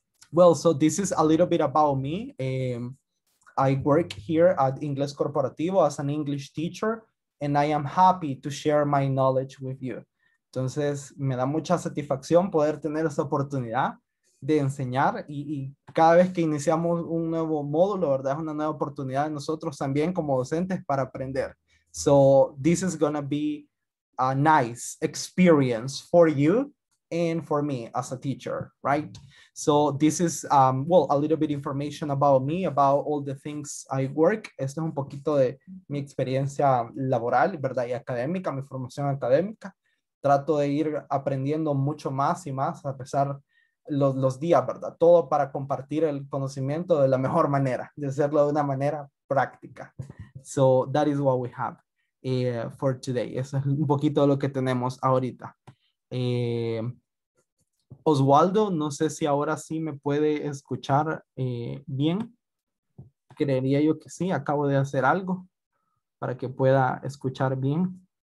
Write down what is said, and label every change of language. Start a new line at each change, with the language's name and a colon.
English: Well, so this is a little bit about me. I work here at Inglés Corporativo as an English teacher, and I am happy to share my knowledge with you.
Spanish: Entonces, me da mucha satisfacción poder tener esa oportunidad de enseñar y cada vez que iniciamos un nuevo módulo, ¿verdad? Es una nueva oportunidad de nosotros también como docentes para aprender.
English: So this is gonna be a nice experience for you and for me as a teacher, right? So this is, well, a little bit information about me, about all the things I work.
Spanish: Esto es un poquito de mi experiencia laboral, ¿verdad? Y académica, mi formación académica. Trato de ir aprendiendo mucho más y más a pesar los días, ¿verdad? Todo para compartir el conocimiento de la mejor manera, de hacerlo de una manera práctica.
English: So that is what we have for today.
Spanish: Eso es un poquito de lo que tenemos ahorita. Oswaldo, no sé si ahora sí me puede escuchar bien. Creería yo que sí, acabo de hacer algo para que pueda escuchar bien.